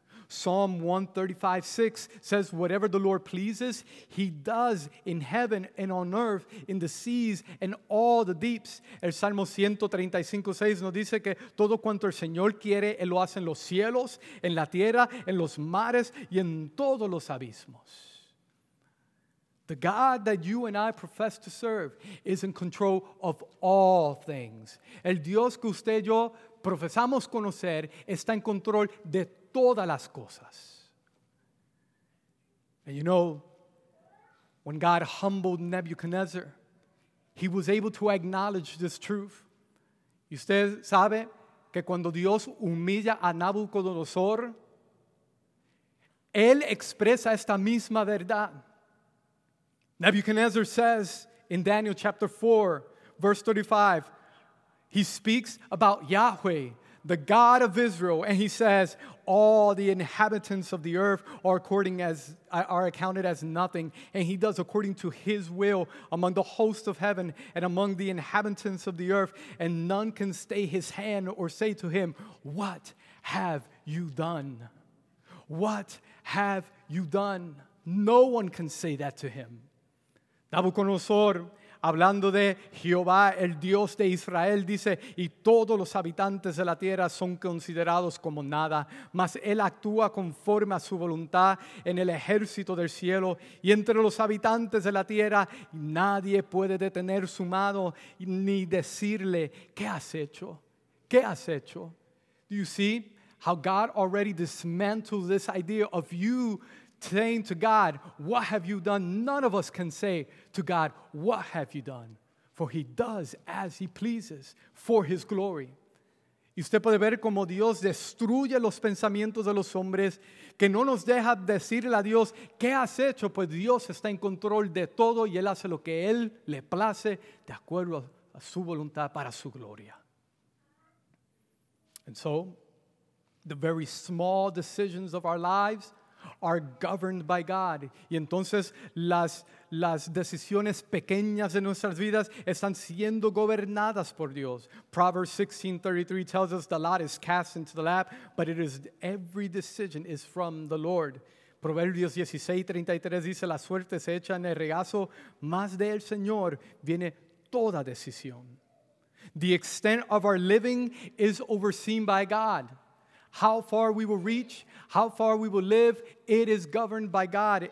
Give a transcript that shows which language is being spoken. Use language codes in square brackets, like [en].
[en] Psalm 135:6 says, whatever the Lord pleases, he does in heaven and on earth, in the seas and all the deeps. [es] El Salmo 135:6 nos dice que todo cuanto el Señor quiere, él lo hace en los cielos, en la tierra, en los mares y en todos los abismos. [en] The God that you and I profess to serve is in control of all things. [es] El Dios que usted y yo profesamos conocer está en control de todas las cosas. [en] And you know, when God humbled Nebuchadnezzar, he was able to acknowledge this truth. [es] Y usted sabe que cuando Dios humilla a Nabucodonosor, él expresa esta misma verdad. [en] Nebuchadnezzar says in Daniel chapter 4, verse 35, he speaks about Yahweh, the God of Israel, and he says, all the inhabitants of the earth are accounted as nothing, and he does according to his will among the hosts of heaven and among the inhabitants of the earth, and none can stay his hand or say to him, what have you done? What have you done? No one can say that to him. [es] Nabucodonosor, hablando de Jehová, el Dios de Israel, dice, y todos los habitantes de la tierra son considerados como nada, mas él actúa conforme a su voluntad en el ejército del cielo, y entre los habitantes de la tierra nadie puede detener su mano ni decirle, ¿qué has hecho? ¿Qué has hecho? [en] Do you see how God already dismantled this idea of you saying to God, what have you done? None of us can say to God, what have you done? For he does as he pleases for his glory. [es] Y usted puede ver cómo Dios destruye los pensamientos de los hombres, que no nos deja decirle a Dios, ¿qué has hecho? Pues Dios está en control de todo y él hace lo que él le place de acuerdo a su voluntad para su gloria. [en] And so, the very small decisions of our lives are governed by God. [es] Y entonces las decisiones pequeñas de nuestras vidas están siendo gobernadas por Dios. [en] Proverbs 16:33 tells us the lot is cast into the lap, but it is every decision is from the Lord. [es] Proverbios 16:33 dice, la suerte se echa en el regazo, mas del Señor viene toda decisión. [en] The extent of our living is overseen by God. How far we will reach, how far we will live, it is governed by God.